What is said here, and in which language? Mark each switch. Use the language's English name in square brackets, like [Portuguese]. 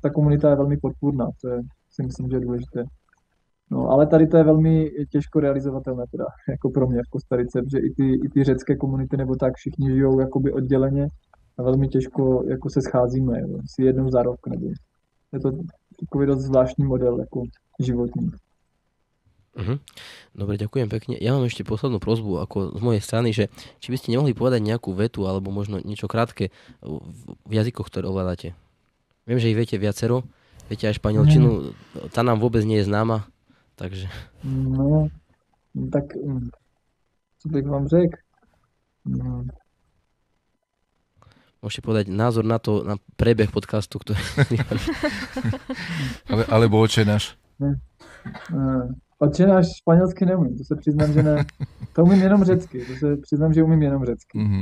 [Czech] Ta komunita je velmi podpůrná, to je, si myslím, že je důležité. No, ale tady to je velmi těžko realizovatelné teda, jako pro mě v Kostarice, protože i ty řecké komunity nebo tak všichni žijou jakoby odděleně a velmi těžko jako se scházíme, jo, si jednou za rok. Nebo. Je to takový dost zvláštní model jako životní. [Slovak] Dobre, ďakujem pekne. Ja mám ešte poslednú prosbu ako z mojej strany, že či by ste nemohli povedať nejakú vetu alebo možno niečo krátke v jazykoch, ktoré ovládate. Viem, že ich viete viacero. Viete aj španielčinu, tá nám vôbec nie je známa. Takže. [Czech] No, tak čo bych vám řekl? [Slovak] Môžete povedať názor na to, na prebeh podcastu, ktorý... alebo oče náš. [Czech] Oče náš španielsky neumím, to sa priznám, že ne. To umím jenom řecky, to sa priznám, že umím jenom řecky.